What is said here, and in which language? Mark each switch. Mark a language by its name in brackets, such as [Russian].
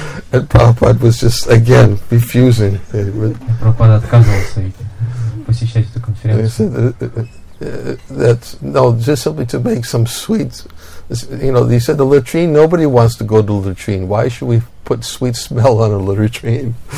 [English] And Prabhupada was just again refusing. [Russian] Prabhupada отказывался посещать эту конференцию. [English] He said that no, just simply to make some sweets. You know, they said the latrine, nobody wants to go to the latrine. Why should we put sweet smell on a latrine?